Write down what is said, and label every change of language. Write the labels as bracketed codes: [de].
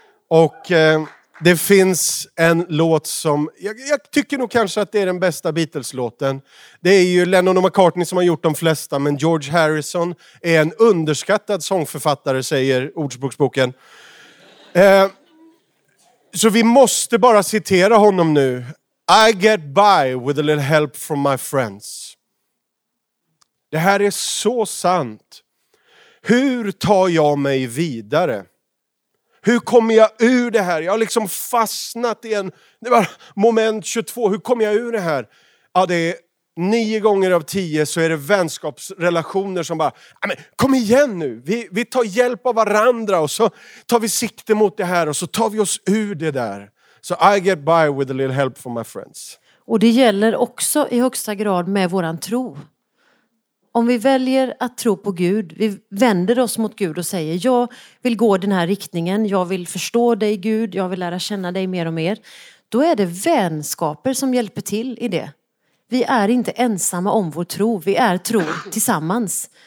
[sv] Och det finns en låt som, jag tycker nog kanske att det är den bästa Beatles-låten. Det är ju Lennon och McCartney som har gjort de flesta, men George Harrison är en underskattad sångförfattare, säger ordspråksboken. Så vi måste bara citera honom nu. [en] I get by with a little help from my friends. [sv] Det här är så sant. Hur tar jag mig vidare? Hur kommer jag ur det här? Jag har liksom fastnat i en det var moment 22. Hur kommer jag ur det här? Ja, det är 9 gånger av 10 så är det vänskapsrelationer som bara, men kom igen nu. Vi tar hjälp av varandra och så tar vi sikte mot det här och så tar vi oss ur det där. [en] Så I get by with a little help from my friends. [sv] Och det gäller också i högsta grad med våran tro. Om vi väljer att tro på Gud, vi vänder oss mot Gud och säger jag vill gå den här riktningen, jag vill förstå dig Gud, jag vill lära känna dig mer och mer. Då är det vänskaper som hjälper till i det. Vi är inte ensamma om vår tro, vi är tro tillsammans.